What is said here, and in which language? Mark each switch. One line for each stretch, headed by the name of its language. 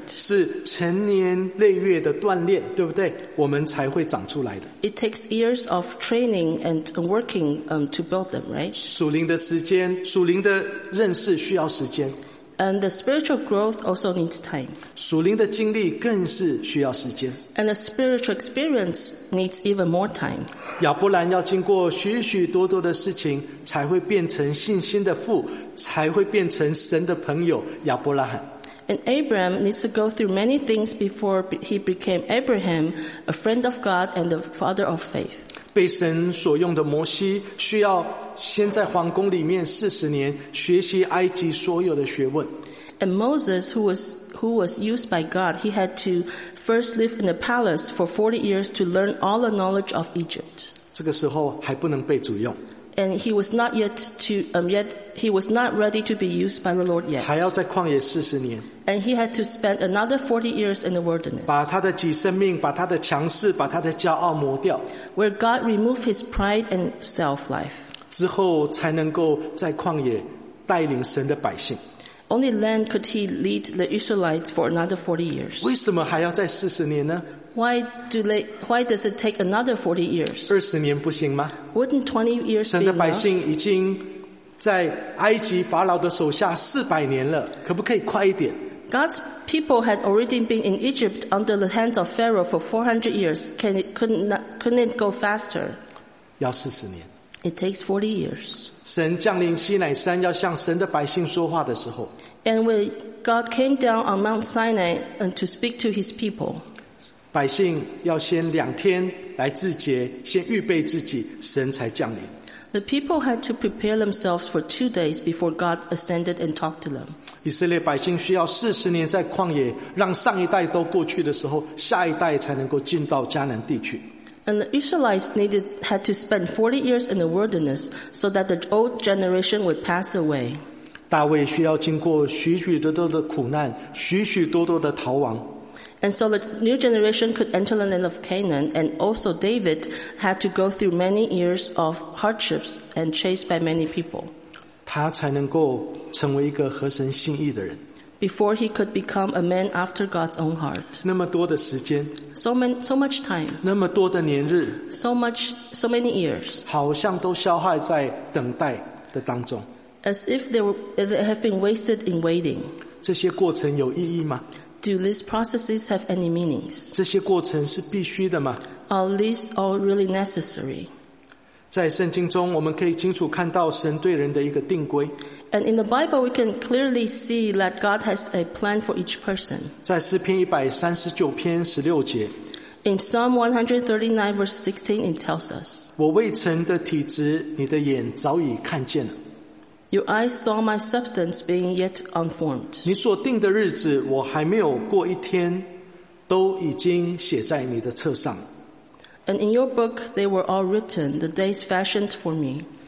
Chinese: 是成年累月的锻炼，对不对？我们才会长出来的。
English: It takes years of training and working to build them, right?
Chinese: 属灵的时间，属灵的认识需要时间。
English: And the spiritual growth also needs time.
Chinese: 属灵的经历更是需要时间。
English: And the spiritual experience needs even more time.
Chinese: 亚伯兰要经过许许多多的事情，才会变成信心的父，才会变成神的朋友，亚伯拉罕。
English: And Abraham needs to go through many things before he became Abraham, a friend of God and the father of faith.
Chinese: 被神所用的摩西需要先在皇宫里面40年学习埃及所有的学问。
English: And Moses, who was used by God, he had to first live in the palace for 40 years to learn all the knowledge of Egypt.
Chinese: 这个时候还不能被主用。
English: And he was not ready to be used by the Lord yet.
Chinese: 还要在旷野40年。
English: And he had to spend another 40 years in the wilderness.
Chinese: 把他的己生命，把他的强势，把他的骄傲磨掉。
English: Where God removed his pride and self-life.
Chinese: 之后才能够在旷野带领神的百姓。
English: Only then could he lead the Israelites for another 40 years.
Chinese: 为什么还要再40年呢？
English: Why does it take another 40 years?
Chinese: 20年不行吗？
English: Wouldn't 20 years be enough?
Chinese: 神的百姓已经在埃及法老的手下400年了，可不可以快一点？
English: God's people had already been in Egypt under the hands of Pharaoh for 400 years. Couldn't it go faster?
Chinese: 要40年。
English: It takes 40 years.
Chinese: 神降临西乃山要向神的百姓说话的时候。
English: And when God came down on Mount Sinai to speak to his people,
Chinese: 百姓要先2天来自洁，先预备自己，神才降临。
English: The people had to prepare themselves for 2 days before God ascended and talked to them.
Chinese: 以色列百姓需要40年在旷野，让上一代都过去的时候，下一代才能够进到迦南地区。
English: And the Israelites had to spend 40 years in the wilderness so that the old generation would pass away.
Chinese: 大卫需要经过许许多多的苦难，许许多多的逃亡。
English: And so the new generation could enter the land of Canaan, and also David had to go through many years of hardships and chased by many people.
Chinese: 他才能够成为一个合神心意的人。
English: Before he could become a man after God's own heart.
Chinese: 那么多的时间。
English: So much time.
Chinese: 那么多的年日。
English: So many years.
Chinese: 好像都消耗在等待的当中。
English: As if they have been wasted in waiting.
Chinese: 这些过程有意义吗？
English: Do these processes have any meanings?
Chinese: 这些过程是必须的吗？
English: Are these all really necessary?
Chinese: 在圣经中我们可以清楚看到神对人的一个定规。
English: And in the Bible we can clearly see that God has a plan for each person.
Chinese: 在诗篇139篇16节。
English: In Psalm 139 verse 16 it tells us,
Chinese: 我未成的体质你的眼早已看见了。
English: Your eyes saw my substance being yet unformed.
Chinese: 你所定的日子，我还没有过一天，都已经写在你的册上。
English: And in your book, they were all written, the days fashioned for me.